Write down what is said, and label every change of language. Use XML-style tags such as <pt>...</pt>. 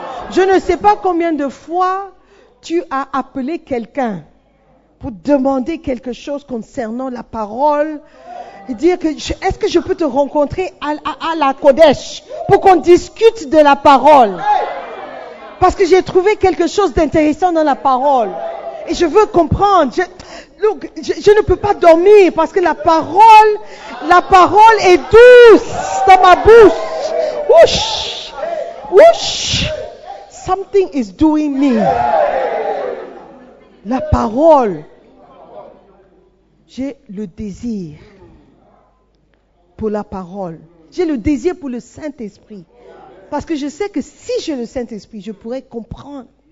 <fr>Je ne sais pas combien de fois tu as appelé quelqu'un pour demander quelque chose concernant la parole et dire que est-ce que je peux te rencontrer à la Kodesh pour qu'on discute de la parole, parce que j'ai trouvé quelque chose d'intéressant dans la parole et je veux comprendre. Je ne peux pas dormir parce que la parole est douce dans ma bouche.</fr> <en>Ouch, ouch, something is doing me.</en> <fr>La parole, j'ai le désir pour la parole. J'ai le désir pour le Saint-Esprit. Parce que je sais que si j'ai le Saint-Esprit, je pourrais comprendre.</fr>